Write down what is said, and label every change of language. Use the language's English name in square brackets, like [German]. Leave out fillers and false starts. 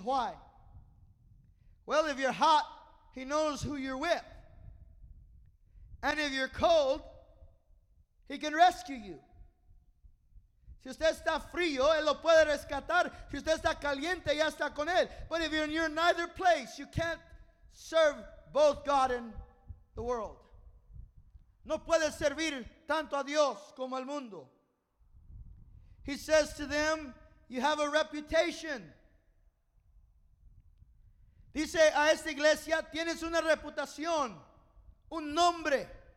[English] Why? Well, if you're hot, he knows who you're with. And if you're cold, he can rescue you. [Spanish] Si usted está frío, él lo puede rescatar. Si usted está caliente, ya está con él. [English] But if you're in neither place, you can't serve both God and the world. [Spanish] No puede servir tanto a Dios como al mundo. [English] He says to them, you have a reputation. [Spanish] Dice a esta iglesia, tienes una reputación, un nombre.